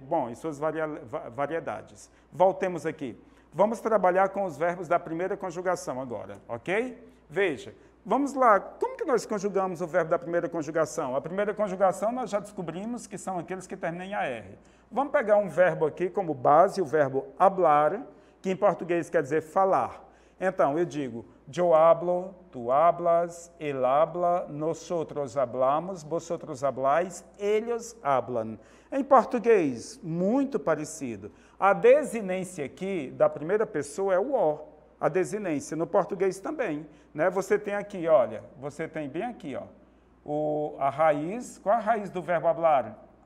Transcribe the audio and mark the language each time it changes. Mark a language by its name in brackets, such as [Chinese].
[Portuguese] Bom, e suas variedades. Voltemos aqui. Vamos trabalhar com os verbos da primeira conjugação agora, ok? Veja, Vamos lá, como que nós conjugamos o verbo da primeira conjugação? A primeira conjugação nós já descobrimos que são aqueles que terminam em AR. Vamos pegar um verbo aqui como base, o verbo hablar, que em português quer dizer falar. Então, eu digo, [Spanish] yo hablo, tu hablas, él habla, nosotros hablamos, vosotros habláis, ellos hablan. [Portuguese] Em português, muito parecido. A desinência aqui da primeira pessoa é o O. A desinência, no português também, né? Você tem aqui, olha, você tem bem aqui, ó, a raiz, qual a raiz do verbo hablar?